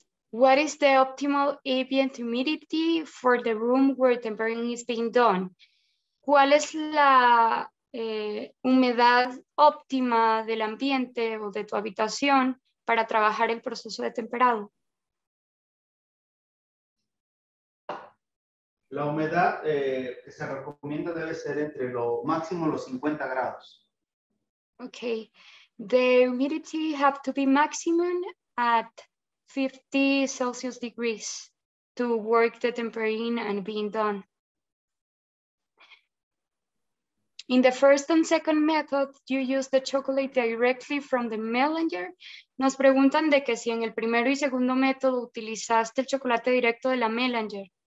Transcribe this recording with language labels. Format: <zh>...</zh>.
<en>What is the optimal ambient humidity for the room where tempering is being done?</en> <es>¿Cuál es la humedad óptima del ambiente o de tu habitación para trabajar el proceso de temperado? La humedad que se recomienda debe ser entre lo máximo los 50 grados.</es> <en>Okay. The humidity have to be maximum at 50 Celsius degrees to work the tempering and being done. In the first and second method, you use the chocolate directly from the melanger.</en> <es>Nos preguntan de que si en el primero y segundo método utilizaste el chocolate directo de la melanger.</es>